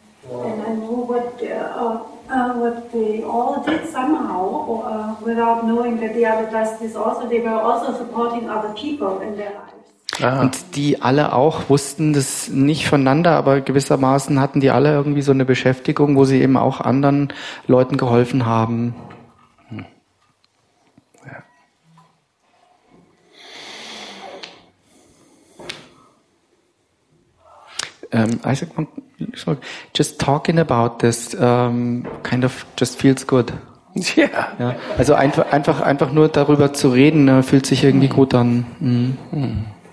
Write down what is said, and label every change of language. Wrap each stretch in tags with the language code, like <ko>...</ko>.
<en>And I know what they all did somehow, without knowing that the other does this also. They were also supporting other people in their lives.</en> <de>Ah. Und die alle auch wussten das nicht voneinander, aber gewissermaßen hatten die alle irgendwie so eine Beschäftigung, wo sie eben auch anderen Leuten geholfen haben.</de> <en>Isaac, just talking about this kind of just feels good. Yeah.</en> <de>Ja, also einfach nur darüber zu reden, fühlt sich irgendwie gut an. Mm.</de>